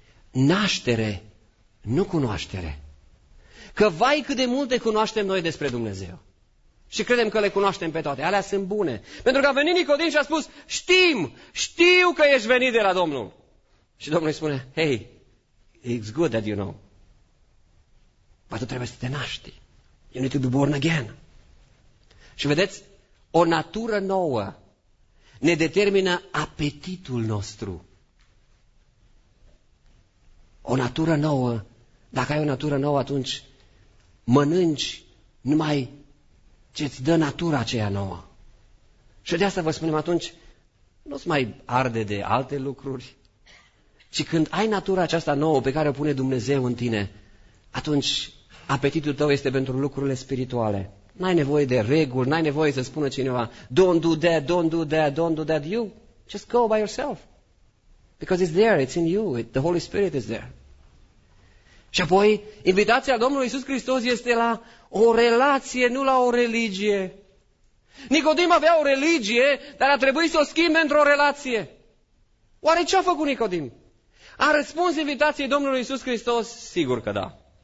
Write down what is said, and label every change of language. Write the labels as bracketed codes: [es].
[ro] Naștere, nu cunoaștere. Că vai cât de multe cunoaștem noi despre Dumnezeu. Și credem că le cunoaștem pe toate. Alea sunt bune. Pentru că a venit Nicodim și a spus: știu că ești venit de la Domnul. Și Domnul îi spune: [en] hey, it's good that you know. [ro] Dar tu trebuie să te naști. [en] You need to be born again. [ro] Și vedeți, o natură nouă ne determină apetitul nostru. O natură nouă, dacă ai o natură nouă, atunci mănânci numai ce-ți dă natura aceea nouă. Și de asta vă spunem, atunci nu-ți mai arde de alte lucruri. Și când ai natura aceasta nouă pe care o pune Dumnezeu în tine, atunci apetitul tău este pentru lucrurile spirituale. N-ai nevoie de reguli, n-ai nevoie să spună cineva: [en] don't do that, don't do that, don't do that. You just go by yourself. Because it's there, it's in you, the Holy Spirit is there. [ro] Și apoi, invitația Domnului Iisus Hristos este la o relație, nu la o religie. Nicodim avea o religie, dar a trebuit să o schimbe într-o relație. Oare ce a făcut Nicodim? A răspuns invitației Domnului Iisus Hristos? Sigur că da.